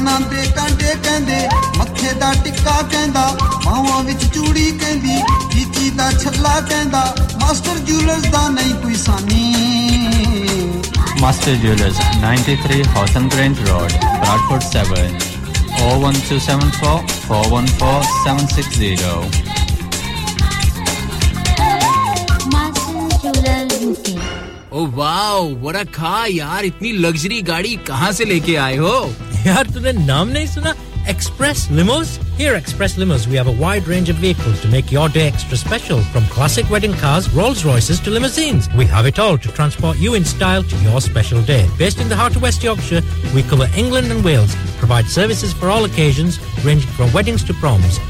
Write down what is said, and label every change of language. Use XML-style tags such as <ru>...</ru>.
<pa>ਦੇ ਕਾਂਡੇ ਕਹਿੰਦੇ ਮੱਥੇ ਦਾ ਟਿੱਕਾ ਕਹਿੰਦਾ ਬਾਹਾਂ ਵਿੱਚ ਚੂੜੀ ਕਹਿੰਦੀ ਜੀਜੀ ਦਾ ਛੱਲਾ ਕਹਿੰਦਾ ਮਾਸਟਰ ਜੂਲਰਸ ਦਾ ਨਹੀਂ ਕੋਈ ਸਾਨੀ master jewellers 93 ਹੌਸਨ grand road ਬ੍ਰਾਡਫੋਰਡ 7 01274414760</pa> <hi>oh</hi> <en>wow what a car</en> <hi>यार इतनी लग्जरी गाड़ी कहां से लेके आए हो यार तूने नाम नहीं सुना express लिमोस</hi> <en>Here at Express Limos, we have a wide range of vehicles to make your day extra special. From classic wedding cars, Rolls Royces to limousines. We have it all to transport you in style to your special day. Based in the heart of West Yorkshire, we cover England and Wales, provide services for all occasions, ranging from weddings to proms.</en>